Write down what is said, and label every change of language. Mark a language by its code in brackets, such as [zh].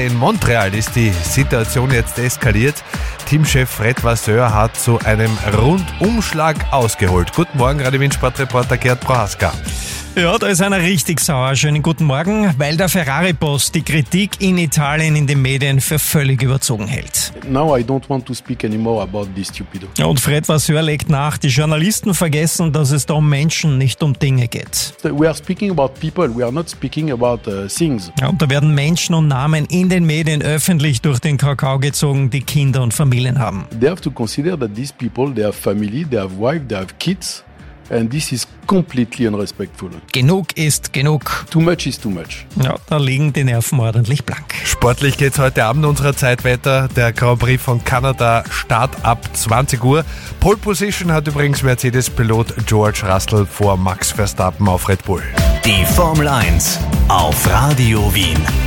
[de] In Montreal ist die Situation jetzt eskaliert. Teamchef Fred Vasseur hat zu einem Rundumschlag ausgeholt. Guten Morgen, Radio Wien Sportreporter Gerd Prohaska. Ja, da ist einer richtig sauer. Schönen guten Morgen, weil der Ferrari-Boss die Kritik in Italien in den Medien für völlig überzogen hält. [en] Now I don't want to speak anymore about this stupido. [de] Ja, und Fred Vasseur legt nach, die Journalisten vergessen, dass es da um Menschen, nicht um Dinge geht. [en] We are speaking about people, we are not speaking about things. [de] Ja, und da werden Menschen und Namen in den Medien öffentlich durch den Kakao gezogen, die Kinder und Familien haben. [en] They have to consider that these people, they have family, they have wife, they have kids. And this is completely unrespectful. [de] Genug ist genug. [en] Too much is too much. [de] Ja, da liegen die Nerven ordentlich blank. Sportlich geht's heute Abend unserer Zeit weiter. Der Grand Prix von Kanada startet ab 20 Uhr. Pole Position hat übrigens Mercedes-Pilot George Russell vor Max Verstappen auf Red Bull. Die Formel 1 auf Radio Wien.